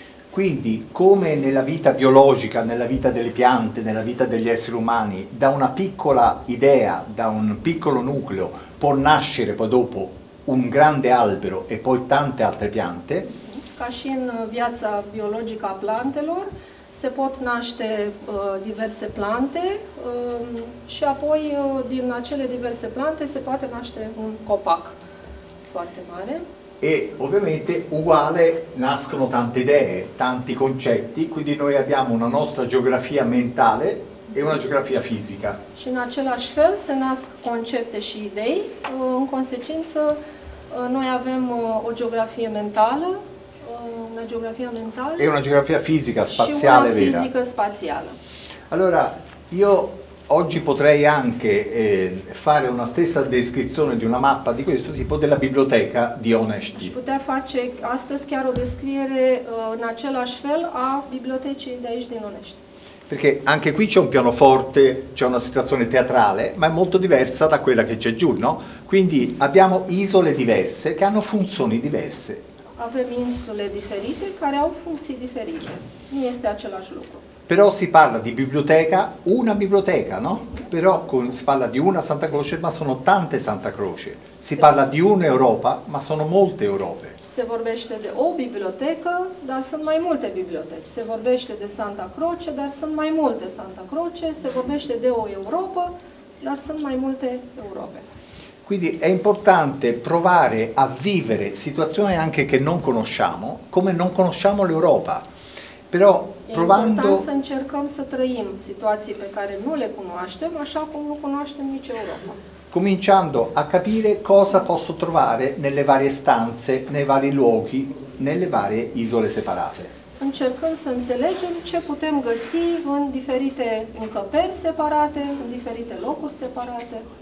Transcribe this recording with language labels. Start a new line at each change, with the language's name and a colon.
Italian: Quindi, come nella vita biologica, nella vita delle piante, nella vita degli esseri umani, da una piccola idea, da un piccolo nucleo, può nascere poi dopo un grande albero e poi tante altre piante.
Romanian: Ca și în viața biologică a plantelor, se pot naște diverse plante și apoi din acele diverse plante se poate naște un copac foarte mare.
Italian: E ovviamente uguale nascono tante idee, tanti concetti, quindi noi abbiamo una nostra geografia mentale e una geografia fisica.
Romanian: Și în același fel se nasc concepte și idei, în consecință noi avem o geografie mentală,
Italian: una geografia mentale e una geografia fisica spaziale vera. Fisica spaziale. Allora, io oggi potrei anche fare una stessa descrizione di una mappa di questo tipo della biblioteca di Onești. Si poteva fare
Romanian: astăzi chiar o descriere in același fel a bibliotecii de aici din Onești.
Italian: Perché anche qui c'è un pianoforte, c'è una situazione teatrale, ma è molto diversa da quella che c'è giù, no? Quindi abbiamo isole diverse che hanno funzioni diverse.
Romanian: Avem insule diferite care au funcții diferite. Nu este același lucru.
Italian: Però si parla di biblioteca, una biblioteca, no? Però si parla di una Santa Croce, ma sono tante Santa Croce. Si parla di un'Europa, ma sono molte Europe.
Romanian: Se vorbește de o bibliotecă, dar sunt mai multe biblioteci. Se vorbește de Santa Croce, dar sunt mai multe Santa Croce. Se vorbește de o Europa, dar sunt mai multe Europe.
Italian: Quindi è importante provare a vivere situazioni anche che non conosciamo, come non conosciamo l'Europa. Però provando
Romanian: să încercăm să trăim situații pe care nu le cunoaștem, așa cum nu cunoaștem nici Europa.
Italian: Cominciando a capire cosa posso trovare nelle varie stanze, nei vari luoghi, nelle varie isole separate.
Romanian: Încercând să înțelegem ce putem găsi în diferite încăperi separate, în diferite locuri separate.